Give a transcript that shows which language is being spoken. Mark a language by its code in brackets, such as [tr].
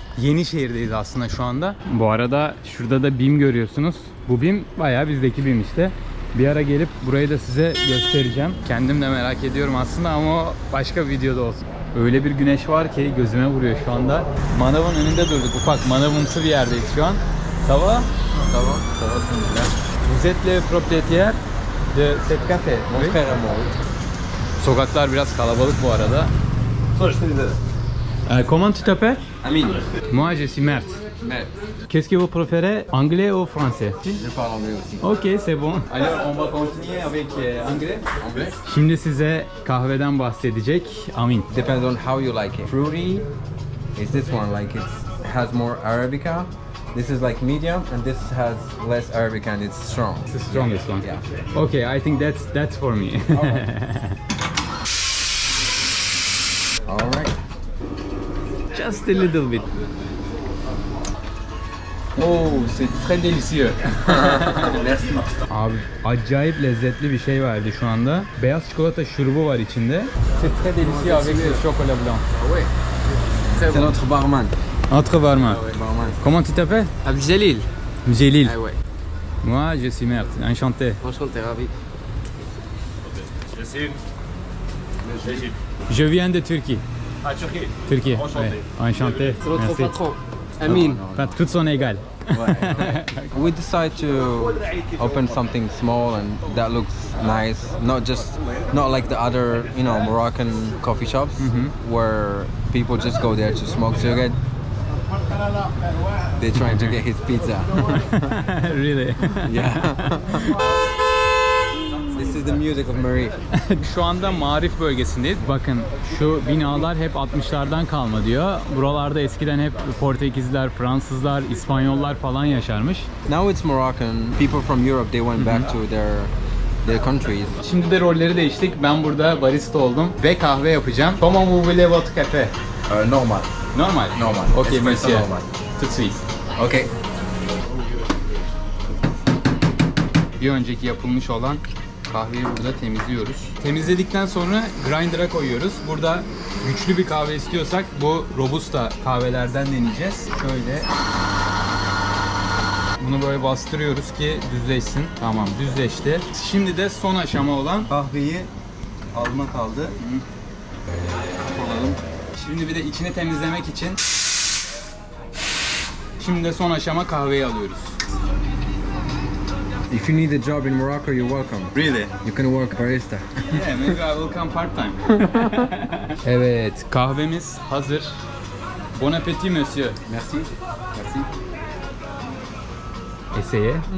[tr] Yeni şehirdeyiz aslında şu anda. Bu arada şurada da BİM görüyorsunuz. Bu BİM bayağı bizdeki BİM işte. Bir ara gelip burayı da size göstereceğim. Kendim de merak ediyorum aslında ama başka bir videoda olsun. Öyle bir güneş var ki gözüme vuruyor şu anda. Manav'ın önünde durduk. Ufak manavımsı bir yerdeyiz şu an. [fr] Sava. Vous êtes le propriétaire de ce café. [tr] Sokaklar biraz kalabalık bu arada. [fr] Comment tu t'appelles? Amin. Moi je suis Mert. Mert. Qu'est-ce que vous préférez, anglais ou français? Je parle anglais aussi. Ok, c'est bon. Alors, on va continuer avec anglais. [tr] Şimdi size kahveden bahsedecek Amin. [en] Depends on how you like it. Fruity is this one, like it has more Arabica. This is like medium and this has less Arabica and it's strong. It's the strongest one. Yeah. Ok, I think that's for me. All right. Just a little bit. [fr] Oh, c'est très délicieux. [tr] Abi acayip lezzetli bir şey verdi şu anda. Beyaz çikolata şurubu var içinde. [fr] C'est très délicieux avec le chocolat blanc. Oui. C'est notre barman. Notre barman. Barman. Comment tu t'appelles? Abdjelil. Abdjelil. Ah ouais. Moi, je suis Mert. Enchanté. Enchanté, ravi. Merci. Je viens de Turquie. Ah, Türkiye. Türkiye. Enchanté. Enchanté. C'est notre merci. Patron. Amin. Tout son égal. [en] We decide to open something small and that looks nice. Not like the other, you know, Moroccan coffee shops where people just go there to smoke cigarette. They're trying to get his pizza. Really? Yeah. This is the music of Marif. [tr] Şu anda Marif bölgesindeyiz. Bakın şu binalar hep 60'lardan kalma diyor. Buralarda eskiden hep Portekizler, Fransızlar, İspanyollar falan yaşarmış. [en] Now it's Moroccan. People from Europe, they went back to their countries. [tr] Şimdi de rolleri değiştik. Ben burada barista oldum ve kahve yapacağım. [fr] Comment vous voulez votre café? Normal. Normal? Normal. Okay, espresso monsieur. Normal. Tout suite. Okay. [tr] Bir önceki yapılmış olan kahveyi burada temizliyoruz. Temizledikten sonra grinder'a koyuyoruz. Burada güçlü bir kahve istiyorsak bu Robusta kahvelerden deneyeceğiz. Şöyle bunu böyle bastırıyoruz ki düzleşsin. Tamam, düzleşti. Şimdi de son aşama olan kahveyi alma kaldı. Şimdi bir de içini temizlemek için şimdi de son aşama kahveyi alıyoruz. [en] If you need a job in Morocco, you're welcome. Really? You can work barista. Yeah, maybe I will come part-time. [tr] Evet, kahvemiz hazır. [fr] Bon appétit, monsieur. Merci. Merci. Essaye.